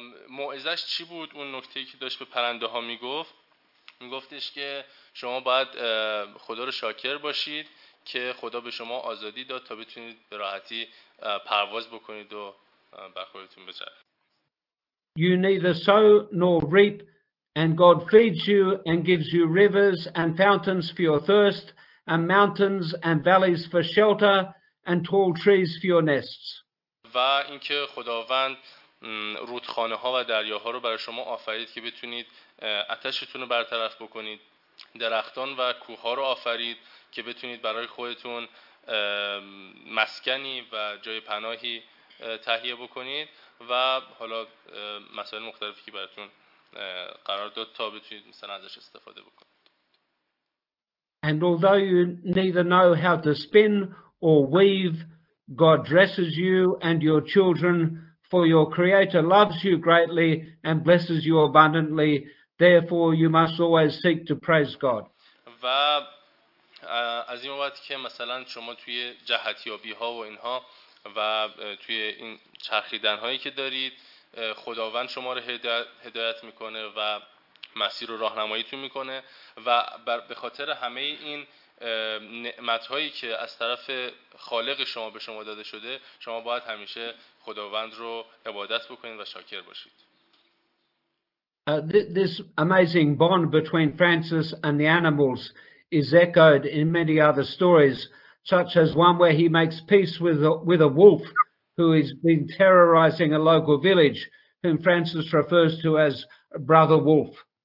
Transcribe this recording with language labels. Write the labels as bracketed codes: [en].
[fa] موعظه‌اش چی بود؟ اون نکته‌ای که داشت به پرنده‌ها میگفت، میگفتش که شما باید خدا رو شاکر باشید که خدا به شما آزادی داد تا بتونید به راحتی پرواز بکنید و بخورتون بچرخه. [en] You neither sow nor reap, and God feeds you and gives you rivers and fountains for your thirst, and mountains and valleys for shelter, and tall trees for your nests. [fa] و اینکه خداوند رودخانه ها و دریاها رو برای شما آفرید که بتونید آتشتون رو برطرف بکنید، درختان و کوه ها رو آفرید که بتونید برای خودتون مسکنی و جای پناهی تهیه بکنید و حالا مسائل مختلفی که براتون قرار داد تا بتونید مثلا ازش استفاده بکنید. [en] And although you neither know how to spin or weave, God dresses you and your children, for your creator loves you greatly and blesses you abundantly. Therefore you must always seek to praise God. [fa] و از این وقت که مثلا شما توی جهتیابی ها و اینها و توی این چرخیدن هایی که دارید، خداوند شما رو هدایت میکنه و مسیر رو راهنماییتون میکنه و به خاطر همه این نعمت هایی که از طرف خالق شما به شما داده شده، شما باید همیشه خداوند رو عبادت بکنید و شاکر باشید. [en] This amazing bond between Francis and the animals is echoed in many other stories, such as one where he makes peace with a wolf who has been terrorizing a local village, whom Francis refers to as Brother Wolf.